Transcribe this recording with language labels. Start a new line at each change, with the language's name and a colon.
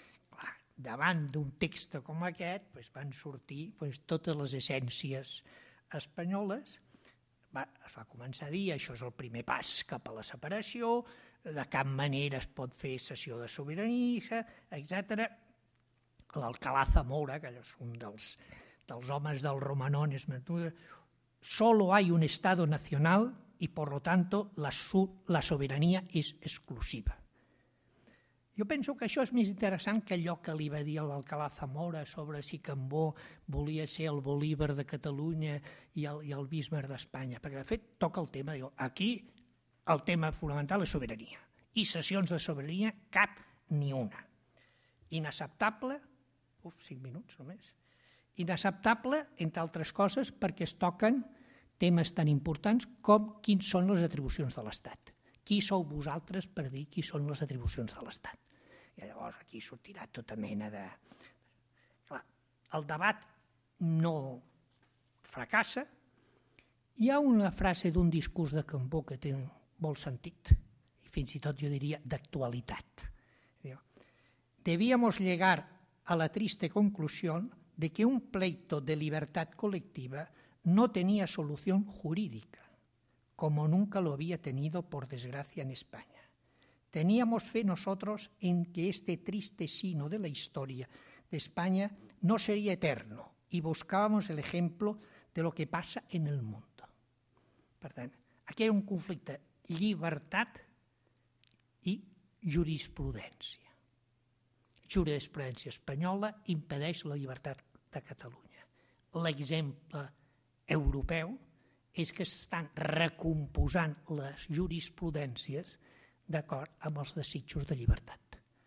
Catalan: Clar, davant d'un text com aquest doncs van sortir doncs, totes les essències espanyoles. Es va començar a dir això és el primer pas cap a la separació, de cap manera es pot fer cessió de sobirania, etc. L'Alcalá Zamora, que és un dels homes del Romanón, és mentida.
Spanish: Solo hay un estado nacional y por lo tanto
Catalan: la sobirania és exclusiva. Jo penso que això és més interessant que allò que li va dir l'Alcalá Zamora sobre si Cambó volia ser el Bolívar de Catalunya i el Bismarck d'Espanya, perquè de fet toca el tema, diu, aquí el tema fonamental és sobirania i cessions de sobirania cap ni una. Inacceptable, 5 minuts només, inacceptable entre altres coses perquè es toquen temes tan importants com quins són les atribucions de l'Estat. Qui sou vosaltres per dir qui són les atribucions de l'Estat? I llavors aquí sortirà tota mena de... Clar, el debat no fracassa. Hi ha una frase d'un discurs de Cambó que té molt sentit, i fins i tot jo diria d'actualitat.
Spanish: Debíamos llegar a la triste conclusión de que un pleito de libertad colectiva no tenía solución jurídica, como nunca lo había tenido, por desgracia, en España. Teníamos fe nosotros en que este triste sino de la historia de España no sería eterno y buscábamos el ejemplo de lo que pasa en el mundo.
Catalan: Per tant, aquí hay un conflicte llibertat i jurisprudència. Jurisprudència espanyola impedeix la llibertat de Catalunya. L'exemple europeu és que s'estan recomposant les jurisprudències d'acord amb els desitjos de llibertat.